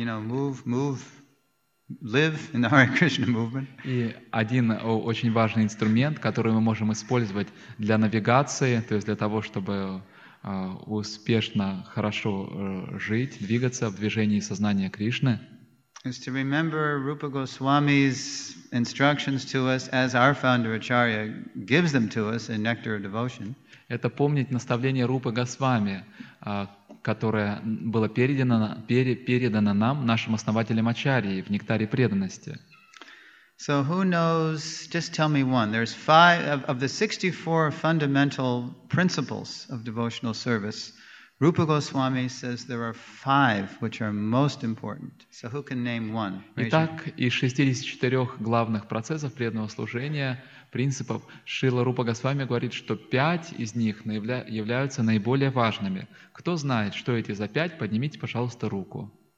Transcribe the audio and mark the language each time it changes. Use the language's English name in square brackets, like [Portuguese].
[English] You know, move, live in the Hare Krishna movement. [Russian] И один очень важный инструмент, который мы можем использовать для навигации, то есть для того, чтобы успешно, хорошо жить, двигаться в движении сознания Кришны. [English] Is to remember Rupa Goswami's instructions to us as our founder Acharya gives them to us in Nectar of Devotion. [Russian] Это помнить наставление Рупы Госвами, которое было передано нам нашим основателем Ачарьей в Нектаре преданности. [English] So who knows, just tell me one. There's five of the 64 fundamental principles of devotional service. Rupa Goswami says there are five which are most important. So who can name one? [Russian] Итак, из 64 главных процессов преданного служения, принципов, Шрила Рупа Госвами говорит, что пять из них являются наиболее важными. Кто знает, что эти за пять, поднимите, пожалуйста, руку.